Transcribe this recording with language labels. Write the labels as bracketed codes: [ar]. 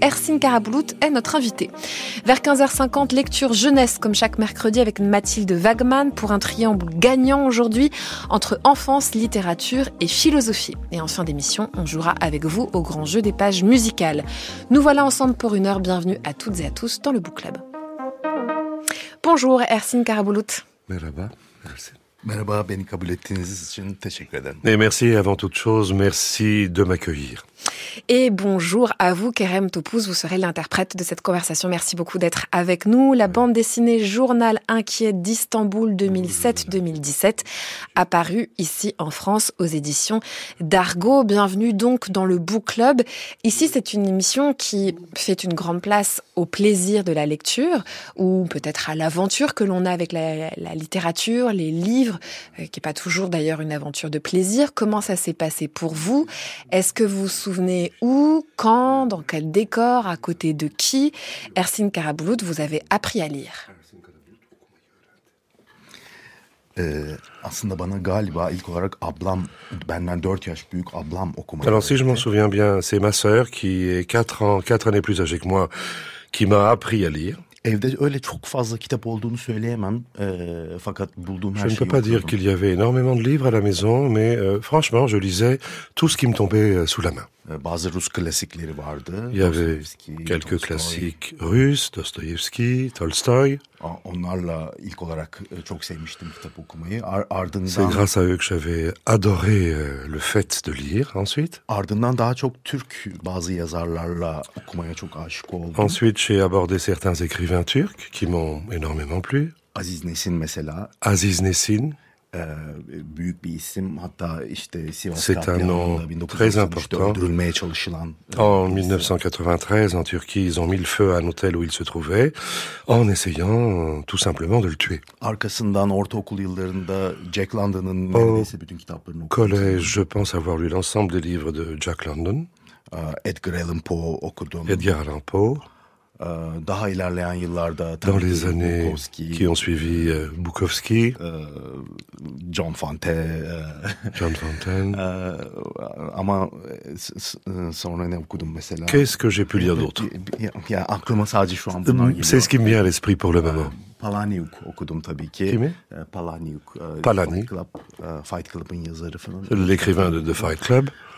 [fr] Ersine Karabulut est notre invitée. Vers 15h50, lecture jeunesse comme chaque mercredi avec Mathilde Wagman pour un triangle gagnant aujourd'hui entre enfance, littérature et philosophie. Et en fin d'émission, on jouera avec vous au grand jeu des pages musicales. Nous voilà ensemble pour une heure, bienvenue à toutes et à tous dans le Book Club. Bonjour Ersine Karabulut. [tr] Merhaba. Merhaba, beni kabul ettiğiniz için teşekkür ederim. [fr] Et merci avant toute chose, merci de m'accueillir. Et bonjour à vous Kerem Topuz, vous serez l'interprète de cette conversation. Merci beaucoup d'être avec nous. La bande dessinée Journal Inquiet d'Istanbul 2007-2017 a paru ici en France aux éditions d'Argo. Bienvenue donc dans le Book Club. Ici c'est une émission qui fait une grande place au plaisir de la lecture ou peut-être à l'aventure que l'on a avec la littérature, les livres, qui n'est pas toujours d'ailleurs une aventure de plaisir. Comment ça s'est passé pour vous? Est-ce que vous souvenez où, quand, dans quel décor, à côté de qui, Ersine Karabulut, vous avez appris à lire? [tr] Aslında bana galiba ilk olarak ablam, benden 4 yaş büyük ablam okumaya. [fr] Alors si je m'en souviens bien, c'est ma sœur qui est 4 années plus âgée que moi qui m'a appris à lire. [tr] Evde öyle çok fazla kitap olduğunu söyleyemem. Fakat bulduğum her şeyi. [fr] Je ne peux pas dire qu'il y avait énormément de livres à la maison, mais franchement, je lisais tout ce qui me tombait sous la main. [tr] Bazı Rus klasikleri vardı. [fr] Il y avait quelques klasiks russes, Dostoyevski, Tolstoy. [tr] Onlarla ilk olarak çok sevmiştim kitap okumayı. Ardından [fr] c'est grâce à eux que j'avais adoré le fait de lire ensuite. [tr] Ardından daha çok Türk bazı yazarlarla okumaya çok aşık oldum. [fr] Ensuite, j'ai abordé certains écrivains turcs qui m'ont énormément plu. [tr] Aziz Nesin mesela. [fr] Aziz Nesin. [tr] Büyük bir isim. Hatta işte [fr] c'est un nom très important. En 1993, en Turquie, ils ont mis le feu à un hôtel où il se trouvait en essayant tout simplement de le tuer. [tr] Arkasından ortaokul yıllarında Jack London'ın bütün kitaplarını okudum. [fr] Collège, je pense avoir lu l'ensemble des livres de Jack London. [tr] Edgar Allan Poe okudum. [fr] Edgar Allan Poe. [tr] Daha ilerleyen yıllarda [fr] dans les années Bukowski, qui ont suivi Bukowski, [tr] John Fante, [fr] John Fontaine. [tr] Ama sonra ne okudum mesela? [fr] Qu'est-ce que j'ai pu lire d'autre? [tr] Ya aklıma sadece şu an [fr] c'est ce qui me vient à l'esprit pour le moment. [tr] Palahniuk okudum tabii ki. Kimi? Palahniuk. [fr] Palahniuk. [tr] Fight Club, Fight Club'ın yazarı falan. [fr] L'écrivain de The Fight Club.